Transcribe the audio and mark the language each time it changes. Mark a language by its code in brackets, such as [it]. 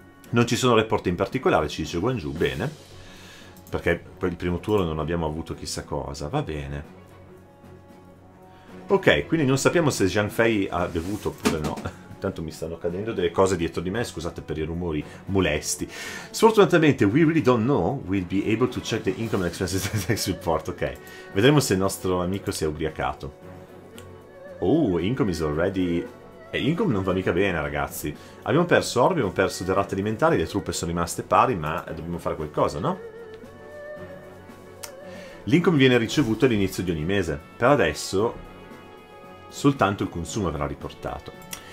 [it] Non ci sono report in particolare, ci dice Guangzhou. Bene. Perché poi il primo turno non abbiamo avuto chissà cosa. Va bene. Ok, quindi non sappiamo se Zhang Fei ha bevuto oppure no. Intanto mi stanno cadendo delle cose dietro di me, scusate per i rumori molesti. Sfortunatamente, [en] we really don't know, we'll be able to check the income and expenses and tax report, ok. [it] Vedremo se il nostro amico si è ubriacato. [en] Oh, income is already... [it] income non va mica bene, ragazzi. Abbiamo perso oro, abbiamo perso derrate alimentari, le truppe sono rimaste pari, ma dobbiamo fare qualcosa, no? L'income viene ricevuto all'inizio di ogni mese. Per adesso, soltanto il consumo verrà riportato.